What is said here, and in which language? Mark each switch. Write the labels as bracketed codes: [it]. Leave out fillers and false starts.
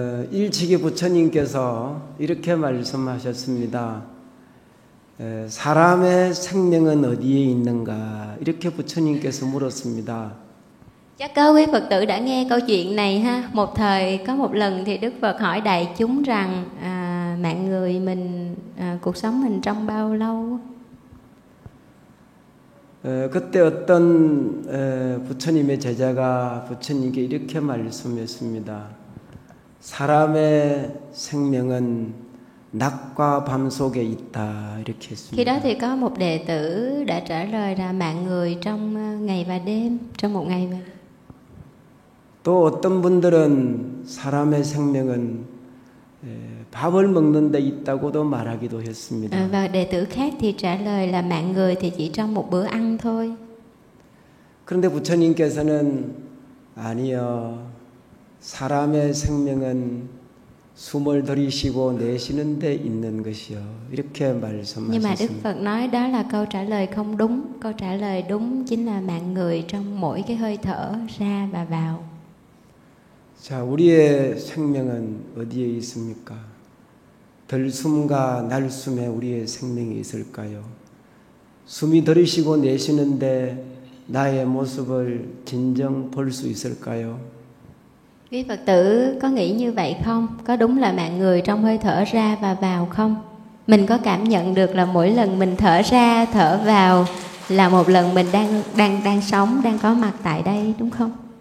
[ko] 일찍이 부처님께서 이렇게 말씀하셨습니다. 사람의 생명은 어디에 있는가 이렇게 부처님께서 물었습니다. [vi] Chắc có quý Phật tử đã nghe câu chuyện này ha. Một thời có một lần thì Đức Phật hỏi đại chúng rằng mạng người mình, cuộc sống mình trong bao lâu? [ko] 그때 어떤 부처님의 제자가 부처님께 이렇게 말씀했습니다. 사람의 생명은 낙과 밤 속에 있다 이렇게 했습니다. [vi] Khi đó thì có một đệ tử đã trả lời là mạng người trong ngày và đêm, trong một ngày và. [ko] 또 어떤 분들은 사람의 생명은 밥을 먹는 데 있다고도 말하기도 했습니다. [vi] Và đệ tử khác thì trả lời là mạng người thì chỉ trong một bữa ăn thôi. [ko] 그런데 부처님께서는 아니요, 사람의 생명은 숨을 들이쉬고 내쉬는 데 있는 것이요 이렇게 말씀하셨습니다. [vi] Nhưng mà Đức Phật nói đó là câu trả lời không đúng. Câu trả lời đúng chính là mạng người trong mỗi cái hơi thở ra và vào. [ko] 자, 우리의 생명은 어디에 있습니까? 들숨과 날숨에 우리의 생명이 있을까요? 숨이 들이쉬고 내쉬는데 나의 모습을 진정 볼 수 있을까요? [vi] Quý Phật tử có nghĩ như vậy không? Có đúng là mạng người trong hơi thở ra và vào không? Mình có cảm nhận được là mỗi lần mình thở ra, thở vào là một lần mình đang sống, đang có mặt tại đây, đúng không?